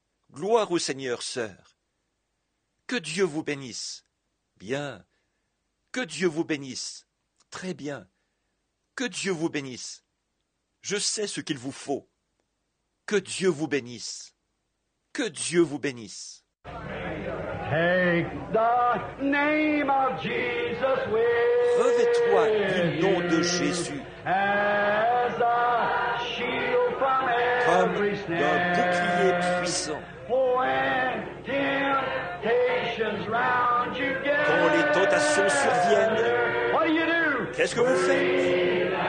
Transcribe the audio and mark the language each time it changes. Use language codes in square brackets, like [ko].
[fr] Gloire au Seigneur, sœur. Que Dieu vous bénisse. Bien. Que Dieu vous bénisse. Très bien. Que Dieu vous bénisse. Je sais ce qu'il vous faut. Que Dieu vous bénisse. Que Dieu vous bénisse. [en] Take the name of Jesus with you. [fr] Revêt-toi du nom de Jésus. [en] As a shield from every snare. [fr] Comme un bouclier puissant. [en] When temptations round you get. [fr] Quand les tentations surviennent. [en] What do you do? [fr] Qu'est-ce que vous faites?